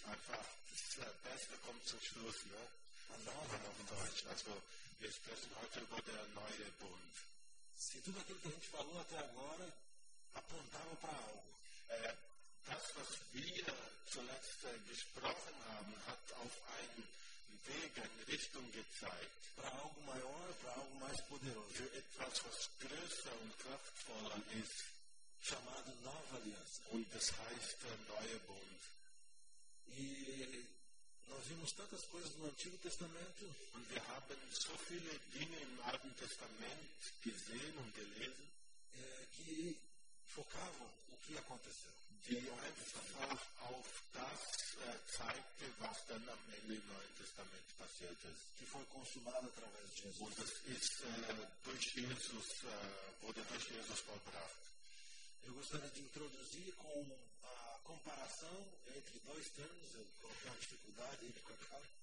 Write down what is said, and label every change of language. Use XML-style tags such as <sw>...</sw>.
<de>Einfach das Beste kommt zum Schluss, ne?</de> <pt>A nova</pt> <de>auf Deutsch. Also, wir sprechen heute über der neue Bund.</de> <pt>Se tudo aquilo que a gente falou até agora apontava para algo.</pt> <de>Das, was wir zuletzt gesprochen haben, hat auf einen Weg, eine Richtung gezeigt.</de> <pt>Para algo maior, para algo mais poderoso.</pt> <de>Für etwas, was größer und kraftvoller ist.</de> <pt>Chamado Nova Aliança.</pt> <de>Und das heißt Neue Bund.</de> <pt>E nós vimos tantas coisas no Antigo Testamento.</pt> <de>Und wir haben so viele Dinge im Alten Testament gesehen und gelesen.</de> <pt>Que focavam o que aconteceu.</pt> <de>Die einfach auf das zeigte, was dann am Ende im Neuen Testament passiert ist.</de> <pt>Que foi consumado através de Jesus.</pt> <de>Und das ist durch Jesus, wurde durch Jesus vollbracht.</de> <pt>Eu gostaria de introduzir com a comparação entre dois termos, eu coloquei uma dificuldade aí no cacau.</pt>